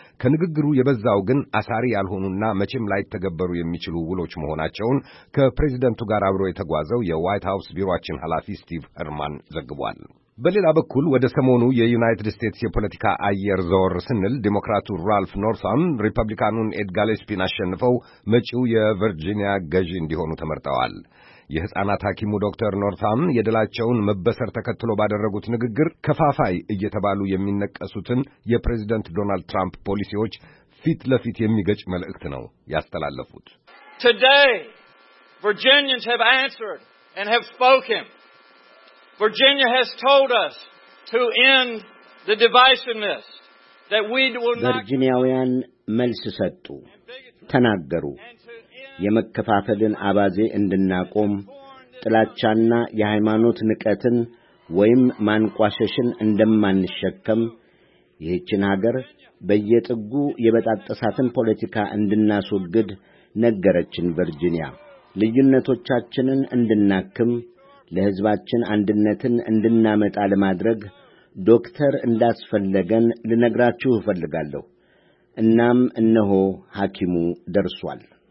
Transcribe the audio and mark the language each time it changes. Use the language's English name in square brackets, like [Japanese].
[Amharic] ከንግግሩ የበዛው ግን አሳሪ ያልሆኑና መቼም ላይተገበሩ የሚችሉ ውሎች መሆናቸውን ከፕሬዝደንቱ ጋር አብሮ የተጓዘው የዋይት ሃውስ ቢሮአችን ኃላፊ ስቲቭ ሄርማን ዘግቧል። በሌላ በኩል ወደ ሰሞኑ የዩናይትድ ስቴትስ የፖለቲካ አየር ዞር ስንል ዴሞክራቱ ራልፍ ኖርሳም ሪፐብሊካኑን ኤድ ጋሌስፒን አሸንፈው መጪው የቨርጂኒያ ገዢ እንዲሆኑ ተመርጠዋል። የሕፃናት ሐኪሙ ዶክተር ኖርሳም የድላቸውን መበሰር ተከትሎ ባደረጉት ንግግር ከፋፋይ እየተባሉ የሚነቀሱትን የፕሬዚደንት ዶናልድ ትራምፕ ፖሊሲዎች ፊት ለፊት የሚገጭ መልእክት ነው ያስተላለፉት። [English] Today, Virginians have answered and have spoken. Virginia has told us to end the divisiveness that we will not. [Amharic] ቨርጂኒያውያን መልስ ሰጡ፣ ተናገሩ። የመከፋፈልን አባዜ እንድናቆም፣ ጥላቻና የሃይማኖት ንቀትን ወይም ማንቋሸሽን እንደማንሸከም፣ ይህችን ሀገር በየጥጉ የበጣጠሳትን ፖለቲካ እንድናስወግድ ነገረችን። ቨርጂኒያ ልዩነቶቻችንን እንድናክም፣ ለሕዝባችን አንድነትን እንድናመጣ ለማድረግ ዶክተር እንዳስፈለገን ልነግራችሁ እፈልጋለሁ። እናም እነሆ ሐኪሙ ደርሷል።